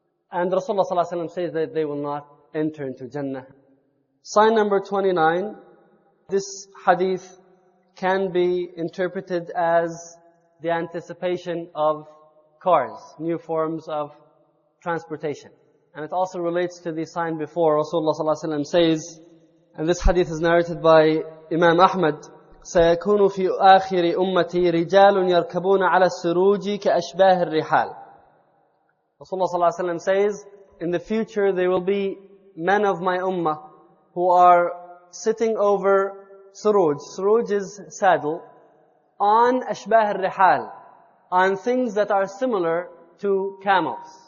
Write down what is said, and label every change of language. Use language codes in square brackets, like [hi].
[en] And Rasulullah ﷺ says that they will not enter into Jannah. Sign number 29. This hadith can be interpreted as the anticipation of cars, new forms of transportation. And it also relates to the sign before. Rasulullah ﷺ says, and this hadith is narrated by Imam Ahmad, [ar] سَيَكُونُ فِي آخِرِ أُمَّتِي رِجَالٌ يَرْكَبُونَ عَلَى السُّرُوجِ كَأَشْبَاهِ الرِّحَالِ. [en] Rasulullah ﷺ says, in the future there will be men of my ummah who are sitting over suruj. Suruj is saddle. On [ar] أَشْبَاهِ الرِّحَالِ, [en] on things that are similar to camels.